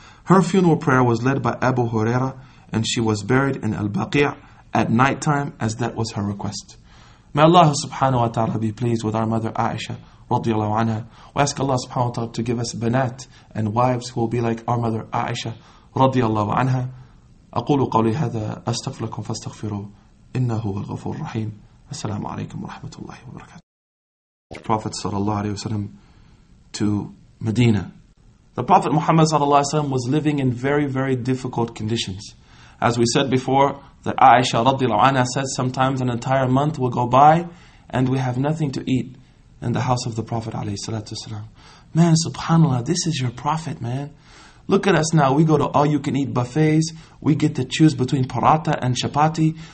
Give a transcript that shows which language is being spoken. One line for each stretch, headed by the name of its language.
English: Her funeral prayer was led by Abu Huraira, and she was buried in Al-Baqi' at night time, as that was her request. May Allah subhanahu wa ta'ala be pleased with our mother Aisha, radiallahu anha. We ask Allah subhanahu wa ta'ala to give us banat and wives who will be like our mother Aisha, radiallahu anha.
Arabic: أَقُولُ قَوْلِ هَذَا أَسْتَغْفِرُ لَكُمْ فَاسْتَغْفِرُوا إِنَّهُ هُوَ الْغَفُورُ الرَّحِيمُ السَّلَامُ عَلَيْكُمْ وَرَحْمَةُ اللَّهِ وَبَرَكَاتُهُ
English: Prophet sallallahu alayhi wa sallam to Medina. The Prophet Muhammad sallallahu alayhi wa sallam was living in very, very difficult conditions. As we said before, that Aisha radiallahu anha said, sometimes an entire month will go by and we have nothing to eat in the house of the Prophet alayhi salatu wasalam. Man, subhanAllah, this is your Prophet, man. Look at us now, we go to all-you-can-eat buffets, we get to choose between paratha and chapati.